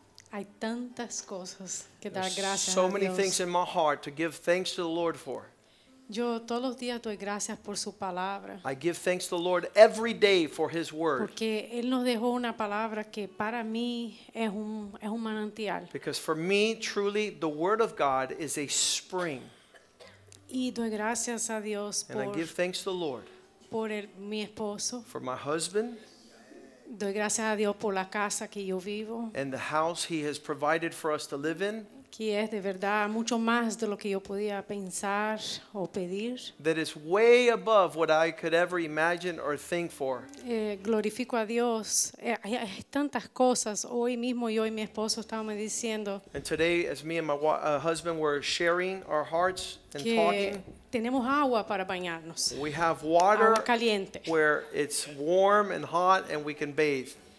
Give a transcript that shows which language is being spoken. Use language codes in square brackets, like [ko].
[es] Hay tantas cosas que dar gracias a Dios. [en] So many things in my heart to give thanks to the Lord for. [es] Yo todos los días doy gracias por su palabra. [en] I give thanks to the Lord every day for His word. [es] Porque él nos dejó una palabra que para mí es un manantial. [en] Because for me, truly, the word of God is a spring. [es] Y doy gracias a Dios [en] por. And I give thanks to the Lord. [es] Por mi esposo. [en] For my husband. [es] Doy gracias a Dios por la casa que yo vivo. [en] And the house He has provided for us to live in. [es] Que es de verdad mucho más de lo que yo podía pensar o pedir. [en] That is way above what I could ever imagine or think for. [es] Glorifico a Dios. Hay tantas cosas. Hoy mismo yo y mi esposo estábamos diciendo. [en] And today, as me and my husband were sharing our hearts and [es] que [en] talking. [es] Tenemos agua para bañarnos. [en] We have water. [es] Agua caliente. [en] Where it's warm and hot and we can bathe.